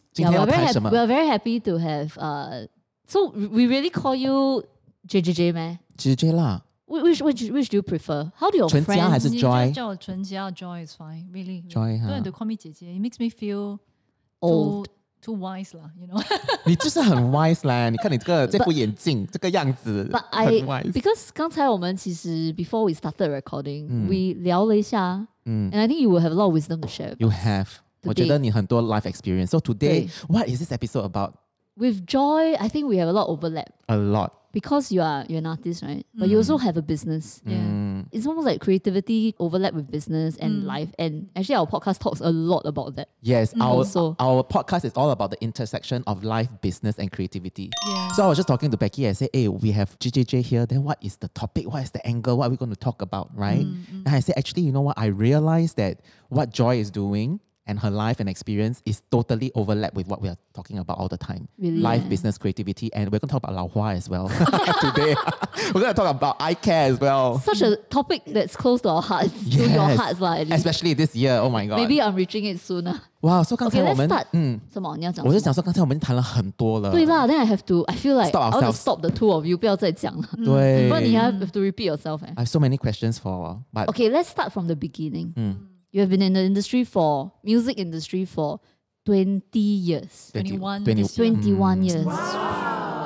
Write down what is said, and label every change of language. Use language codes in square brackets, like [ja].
[en] yeah, we are very happy to have, so we really call you JJJ, man? [zh] JJJ 啦。 [en] Which do you prefer? How do your friends? [zh] 纯家还是 Joy? 你就叫我纯家, [en] Joy is fine, really. Joy, huh? Don't have to call me 姐姐, it makes me feel old. Too wise lah, you know. [zh] 你就是很 wise 啦，你看你这个这副眼镜这个样子， [en] but I, because [zh] 刚才我们其实 [en] before we started recording, we [zh] 聊了一下， [en] and I think you will have a lot of wisdom to share. You have. Today. [zh] 我觉得你很多 [en] life experience. So today, what is this episode about? With Joy, I think we have a lot of overlap. A lot. Because you're an artist, right? But you also have a business. Yeah. It's almost like creativity overlap with business and life. And actually, our podcast talks a lot about that. Yes. Our podcast is all about the intersection of life, business and creativity. Yeah. So I was just talking to Becky. I said, hey, we have JJJ here. Then what is the topic? What is the angle? What are we going to talk about, right? And I said, actually, you know what? I realized that what Joy is doing and her life and experience is totally overlapped with what we are talking about all the time. Really? Life, business, creativity, and we're going to talk about Lao Hua as well today. We're going to talk about eye care as well. Such a topic that's close to our hearts, yes. To your hearts. Like, especially this year, oh my God. Maybe I'm reaching it soon. Wow, so okay, let's start. [zh] 我就想说刚才我们谈了很多了。对啦, [en] then I have to, I feel like I'll just stop the two of you, [zh] 不要再讲了。对。 [en] But you have to repeat yourself. I have so many questions for, but... Okay, let's start from the beginning. You have been in the industry for, music industry for 20 years. 21 years. Wow.